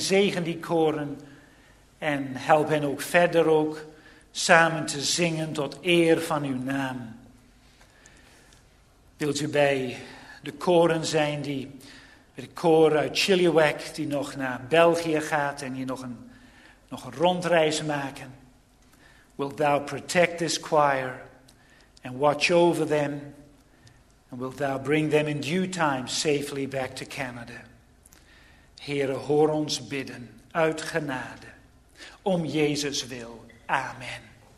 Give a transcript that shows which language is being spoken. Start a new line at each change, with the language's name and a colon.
Dutch: Zegen die koren en help hen ook verder ook samen te zingen tot eer van uw naam. Wilt u bij de koren zijn die, bij de koren uit Chilliwack, die nog naar België gaat en hier nog een rondreis maken.
English: Wilt thou protect this choir and watch over them. And wilt thou bring them in due time safely back to Canada.
Dutch: Heere, hoor ons bidden uit genade. Om Jezus wil. Amen.